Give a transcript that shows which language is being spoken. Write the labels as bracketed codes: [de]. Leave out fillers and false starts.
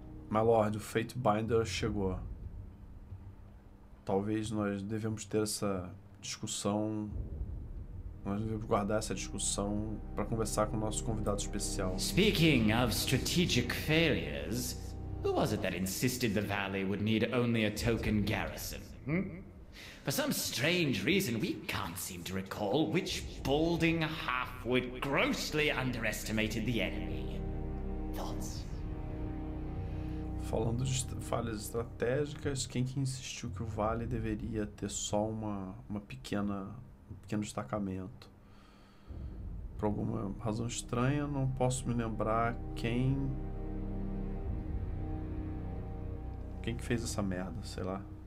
[en] My Lord, [pt] o Fatebinder chegou. Talvez nós devemos ter essa discussão. Nós devemos guardar essa discussão para conversar com o nosso convidado especial. [en] Speaking of strategic failures, who was it that insisted the Valley would need only a token garrison? For some strange reason, we can't seem to recall which balding half-wit grossly underestimated the enemy. Thoughts? [pt] Falando de falhas estratégicas, quem que insistiu que o Vale deveria ter só um pequeno destacamento? Por alguma razão estranha, não posso me lembrar quem que fez essa merda, sei lá.